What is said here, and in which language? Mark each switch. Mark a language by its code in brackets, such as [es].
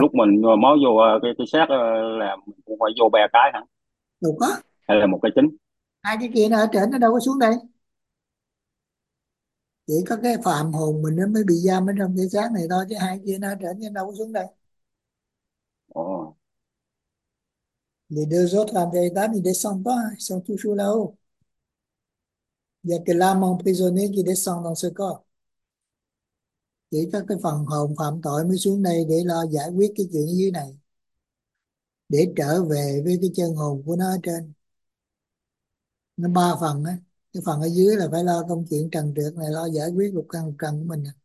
[vi] lúc mình mới vô cái xác là mình cũng phải vô ba cái hả đâu có hay là một cái chính hai cái kia nó ở trên, nó đâu có xuống đây, chỉ có cái phàm hồn mình nó mới bị giam ở trong thế giới này thôi, chứ hai kia nó ở trên, nó đâu có xuống đây. [fr] Les deux autres en vérité ne descendent pas, ils sont toujours là-haut. Il n'y a que l'âme emprisonnée qui descend dans ce corps. [vi] Chỉ có cái phần hồn phạm tội mới xuống đây để lo giải quyết cái chuyện dưới này, để trở về với cái chân hồn của nó ở trên. Nó ba phần á, cái phần ở dưới là phải lo công chuyện trần trược này, lo giải quyết cuộc căng trần của mình.